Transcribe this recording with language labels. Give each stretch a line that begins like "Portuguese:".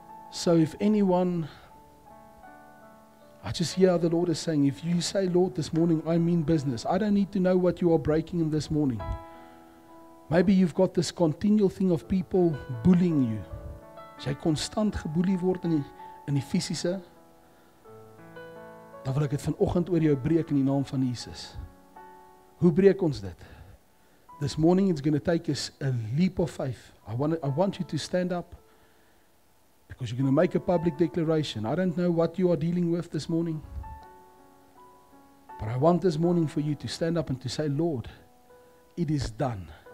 English: So if anyone, I just hear how the Lord is saying, if you say, Lord, this morning I mean business, I don't need to know what you are breaking in this morning. Maybe you've got this continual thing of people bullying you.
Afrikaans: Jy konstant geboelie word in die fisiese. Dan wil ek dit vanoggend oor jou breek in die naam van Jesus. Hoe breek ons dit?
English: This morning it's going to take us a leap of faith. I want you to stand up. Because you're going to make a public declaration. I don't know what you are dealing with this morning. But I want this morning for you to stand up and to say, Lord, it is done.